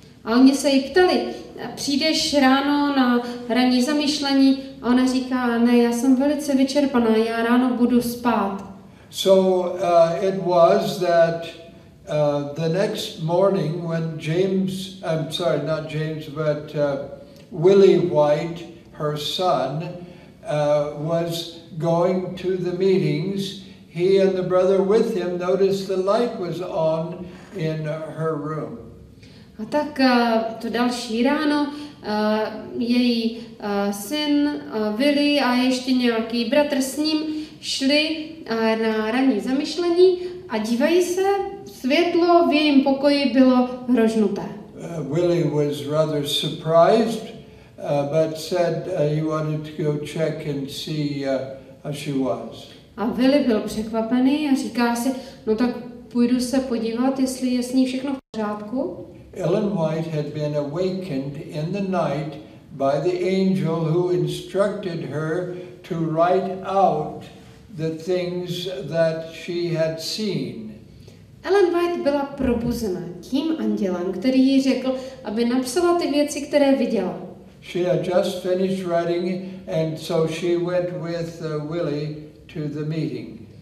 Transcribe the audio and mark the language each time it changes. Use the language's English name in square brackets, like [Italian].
[Czech] A oni se jí ptali, přijdeš ráno na ranní zamýšlení? A ona říká, ne, já jsem velice vyčerpaná, já ráno budu spát. [English] So it was that the next morning when James, I'm sorry, not James, but Willie White, her son, was going to the meetings, he and the brother with him noticed the light was on in her room. [Czech] A tak to další ráno její syn Willy a ještě nějaký bratr s ním šli na ranní zamyšlení a dívají se, světlo v jejím pokoji bylo rožnuté. [English] Willy was rather surprised, but said he wanted to go check and see how she was. [Czech] A Willy byl překvapený a říká si, no tak půjdu se podívat, jestli je s ní všechno v pořádku. [English] Ellen White had been awakened in the night by the angel who instructed her to write out the things that she had seen. [Czech] Ellen White byla probuzena tím andělem, který jí řekl, aby napsala ty věci, které viděla. [English] She had just finished writing and so she went with Willie to the meeting.